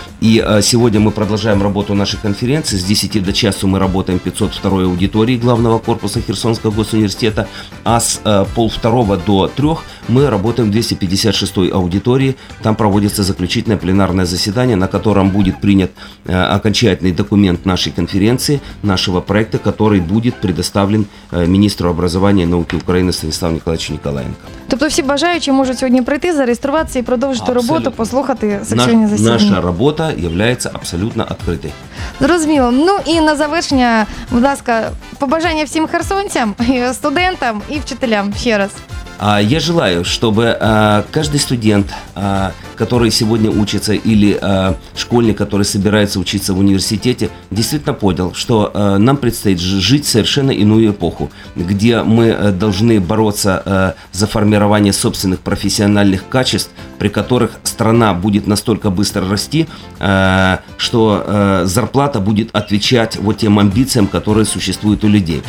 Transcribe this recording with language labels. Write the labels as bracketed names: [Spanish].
[Russian] И сегодня мы продолжаем работу нашей конференции. С 10 до часу мы работаем в 502 аудитории главного корпуса Херсонского госуниверситета, а с полвторого до трех мы работаем в 256 аудитории. Там проводится заключительное пленарное заседание, на котором будет принят окончательный документ нашей конференции, нашего проекта, который будет предоставлен министру образования и науки Украины Станиславу Николаевичу Николаенко. [Ukrainian] Тобто всі бажаючі можуть сьогодні прийти, зареєструватися і продовжити абсолютно роботу, послухати сьогодні засідання. Наша робота є абсолютно відкритою. Зрозуміло. Ну і на завершення, будь ласка, побажання всім херсонцям, студентам і вчителям ще раз. [Russian] Я желаю, чтобы каждый студент, который сегодня учится, или школьник, который собирается учиться в университете, действительно понял, что нам предстоит жить совершенно иную эпоху, где мы должны бороться за формирование собственных профессиональных качеств, при которых страна будет настолько быстро расти, что зарплата будет отвечать вот тем амбициям, которые существуют у людей.